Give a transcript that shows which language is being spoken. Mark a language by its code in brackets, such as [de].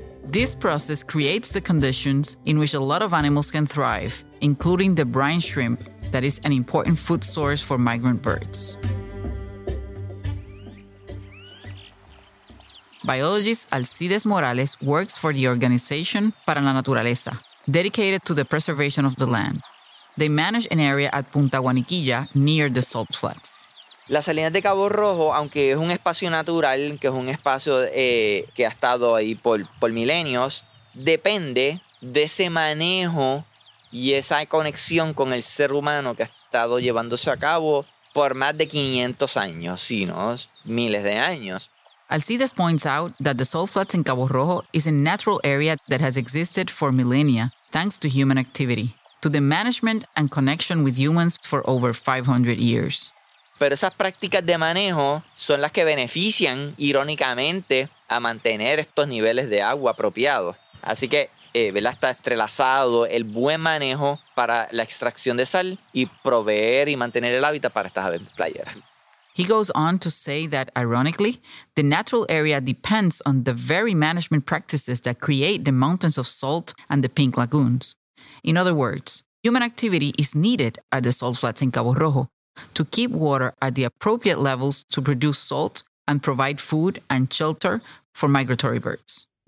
[en] This process creates the conditions in which a lot of animals can thrive, including the brine shrimp that is an important food source for migrant birds. Biologist Alcides Morales works for the organization Para la Naturaleza, dedicated to the preservation of the land. They manage an area at Punta Guaniquilla near the salt flats. [es] La Salinas de Cabo Rojo, aunque es un espacio natural, que es un espacio que ha estado ahí por milenios, depende de ese manejo y esa conexión con el ser humano que ha estado llevándose a cabo por más de 500 años, si no, miles de años. [en] Alcides points out that the salt flats in Cabo Rojo is a natural area that has existed for millennia thanks to human activity, to the management and connection with humans for over 500 years. [es] Pero esas prácticas de manejo son las que benefician, irónicamente, a mantener estos niveles de agua apropiados. Así que ¿verdad? Está entrelazado el buen manejo para la extracción de sal y proveer y mantener el hábitat para estas aves playeras. [en] He goes on to say that, ironically, the natural area depends on the very management practices that create the mountains of salt and the pink lagoons. In other words, human activity is needed at the salt flats in Cabo Rojo to keep water at the appropriate levels to produce salt and provide food and shelter for migratory birds.